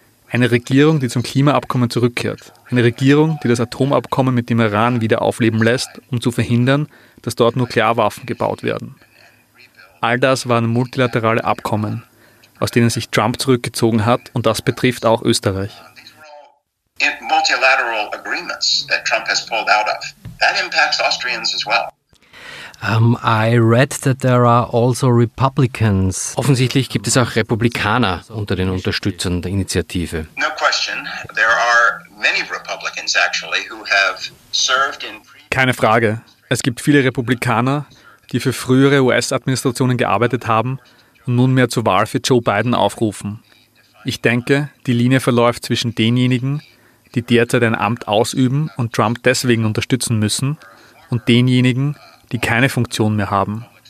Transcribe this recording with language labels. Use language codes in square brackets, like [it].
[de] Eine Regierung, die zum Klimaabkommen zurückkehrt. Eine Regierung, die das Atomabkommen mit dem Iran wieder aufleben lässt, um zu verhindern, dass dort Nuklearwaffen gebaut werden. All das waren multilaterale Abkommen, aus denen sich Trump zurückgezogen hat, und das betrifft auch Österreich. [en] Multilateral agreements that Trump has pulled out of. That impacts Austrians as well. I read that there are also Republicans. [de] Offensichtlich gibt es auch Republikaner unter den Unterstützern der Initiative. [en] No question. There are many Republicans actually who have served in. [de] Keine Frage. Es gibt viele Republikaner, die für frühere US-Administrationen gearbeitet haben und nunmehr zur Wahl für Joe Biden aufrufen. Ich denke, die Linie verläuft zwischen denjenigen, die derzeit ein Amt ausüben und Trump deswegen unterstützen müssen, und denjenigen, die keine Funktion mehr haben.